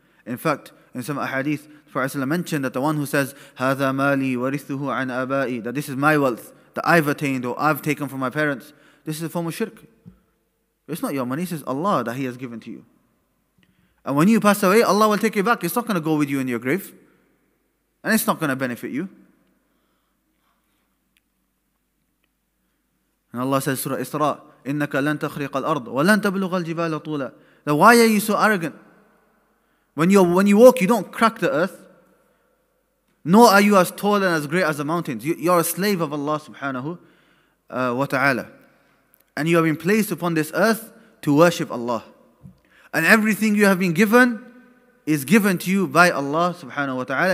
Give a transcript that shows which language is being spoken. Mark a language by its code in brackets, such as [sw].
[en] In fact, in some ahadith, the Prophet ﷺ mentioned that the one who says, [ar] هَذَا مَالِي وَرِثُهُ عَنْ أَبَائِي, [en] that this is my wealth that I've attained or I've taken from my parents, this is a form of shirk. It's not your money, it's Allah that He has given to you. And when you pass away, Allah will take it back. It's not going to go with you in your grave. And it's not going to benefit you. And Allah says, Surah Isra, [ar] إِنَّكَ لَن تَخْرِقَ الْأَرْضِ وَلَن تَبْلُغَ الْجِبَالَ طُولًا. [en] Now why are you so arrogant? When you walk, you don't crack the earth. Nor are you as tall and as great as the mountains. You're a slave of Allah subhanahu wa ta'ala. And you have been placed upon this earth to worship Allah. And everything you have been given is given to you by Allah subhanahu wa ta'ala.